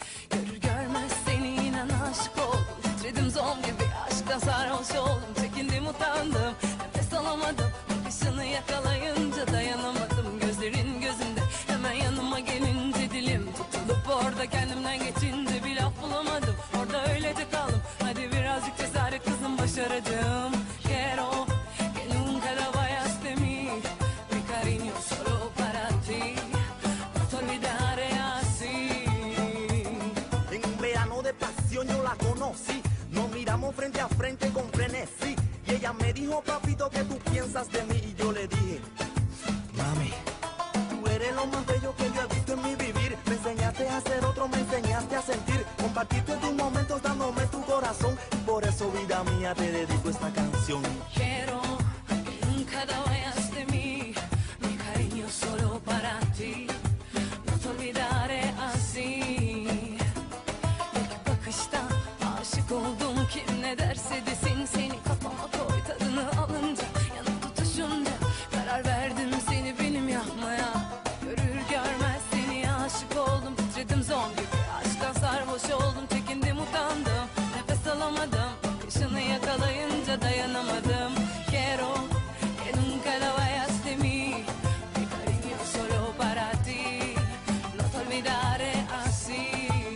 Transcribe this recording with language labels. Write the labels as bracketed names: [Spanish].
[Turkish] Görür görmez seni inan aşık oldum, titredim zon gibi, aşktan sarhoş oldum, çekindim utandım, nefes alamadım, bakışını yakalayınca dayanamadım, gözlerin gözünde hemen yanıma gelince dilim tutulup orada kendimden geçince bir laf bulamadım, orada öyle de kaldım, hadi birazcık cesaret kızım başaracağım. [Spanish] Quiero que nunca la vayas de mi, mi cariño solo para ti, no te olvidaré así. En un verano de pasión yo la conocí, nos miramos frente a frente con frenesí, y ella me dijo papito que tú piensas de mí, y yo le dije mami, tú eres lo más bello que yo he visto en mi vivir, me enseñaste a ser otro, me enseñaste a sentir, compartiste tus momentos dándome tu corazón, y por eso vida mía te dedico esta canción. Quiero que nunca te vayas de mí, mi cariño solo para ti, no te olvidaré así. [Turkish] İlk bakışta aşık oldum, kim ne derse desin, seni kafama koy, tadını alınca, yanıp tutuşunca, karar verdim seni benim yapmaya. Görür görmez seni aşık oldum, titredim zon gibi, aşktan sarhoş oldum, çekindim utandım, nefes alamadım, bakışını yakalayınca dayanamadım. [Spanish] Quiero que nunca la vayas de mí, mi cariño solo para ti, no te olvidaré así.